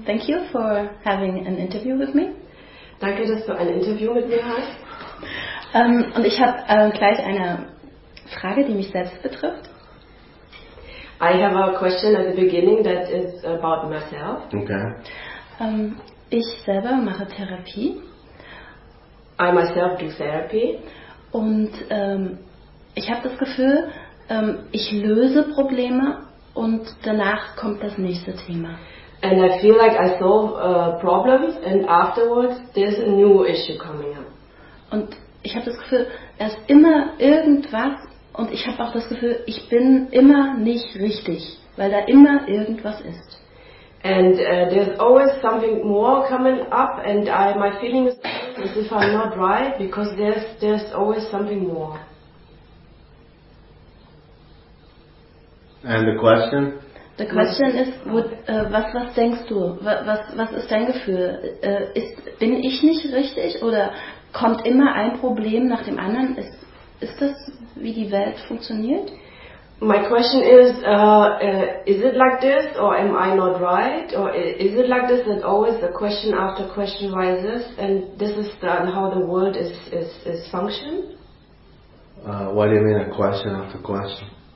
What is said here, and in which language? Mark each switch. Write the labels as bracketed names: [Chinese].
[English] Thank you for having an interview with me. [German] Danke, dass du ein Interview mit mir hast. Und ich habe gleich eine Frage, die mich selbst betrifft. [English] I have a question at the beginning that is about myself. Okay. [German] Ich selber mache Therapie. [English] I myself do therapy. [German] Und ich habe das Gefühl, ich löse Probleme und danach kommt das nächste Thema. [English] And I feel like I solve problems and afterwards there's a new issue coming up. [German] Und ich habe das Gefühl, da ist immer irgendwas und ich habe auch das Gefühl, ich bin immer nicht richtig, weil da immer irgendwas ist. [English] And there's always something more coming up and my feeling is as if I'm not right because there's always something more. And the question? The question is, [German] was denkst du? Was ist dein Gefühl? Bin ich nicht richtig oder kommt immer ein Problem nach dem anderen? Ist das, wie die Welt funktioniert? [English] My question is it like this or am I not right? Or is it like this and always the question after question rises and this is how the world is function? What do you mean a question after question?